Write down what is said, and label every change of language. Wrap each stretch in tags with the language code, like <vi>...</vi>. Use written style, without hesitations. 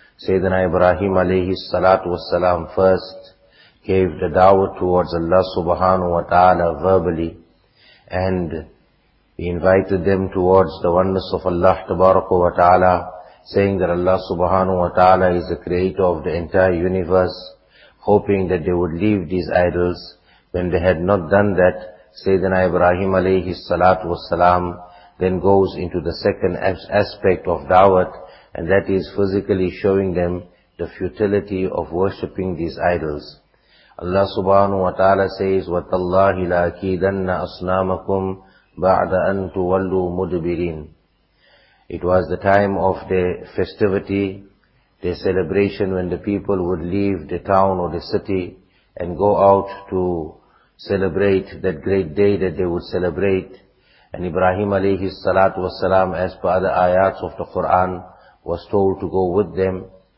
<en>Sayyidina Ibrahim alayhi salatu wassalam first gave the da'wah towards Allah subhanahu wa ta'ala verbally, and he invited them towards the oneness of Allah tabaraka wa ta'ala, saying that Allah subhanahu wa ta'ala is the creator of the entire universe, hoping that they would leave these idols. When they had not done that, Sayyidina Ibrahim alayhi salatu wassalam then goes into the second aspect of da'wat, and that is physically showing them the futility of worshipping these idols.</en> <ar>Allah subhanahu wa ta'ala says, وَتَاللَّهِ لَأَكِيدَنَّ أَصْنَامَكُمْ بَعْدَ أَن تُوَلُّوا مُدْبِرِينَ.</ar> <en>It was the time of the festivity, the celebration, when the people would leave the town or the city and go out to celebrate that great day that they would celebrate. And Ibrahim alayhi salatu wassalam, as per other ayats of the Quran, was told to go with them.</en>